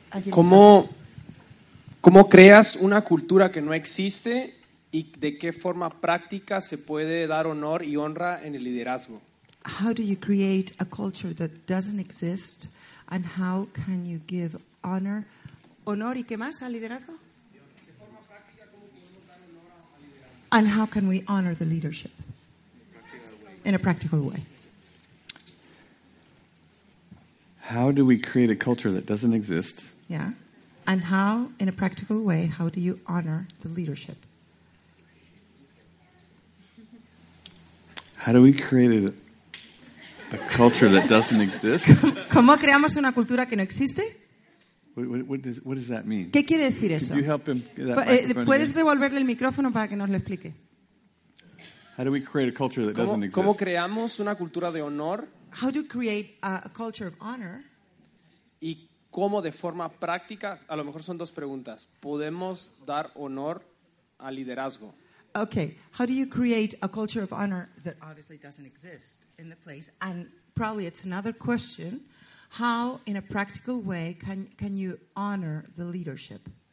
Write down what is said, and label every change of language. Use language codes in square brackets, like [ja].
[es] ¿Cómo creas una cultura que no existe y de qué forma práctica se puede dar honor y honra en el liderazgo? [en] How do you create a culture that doesn't exist and how can you give honor? [es] ¿Honor y qué más al liderazgo? [en] And how can we honor the leadership in a practical way? How do we create a culture that doesn't exist? Yeah. And how, in a practical way, how do you honor the leadership? How do we create a culture that doesn't exist? [es] ¿Cómo creamos una cultura que no existe? [en] What does that mean? [es] ¿Qué quiere decir eso? [en] Could you help him get that microphone? [es] ¿Puedes devolverle el micrófono para que nos lo explique? [en] How do we create a culture that doesn't exist? [es] ¿Cómo creamos una cultura de honor? [en] How do you create a culture of honor? [es] ¿Y cómo de forma práctica, a lo mejor son dos preguntas, podemos dar honor al liderazgo? [en] Okay, how do you create a culture of honor that obviously doesn't exist in the place? And probably it's another question, how in a practical way can you honor the leadership?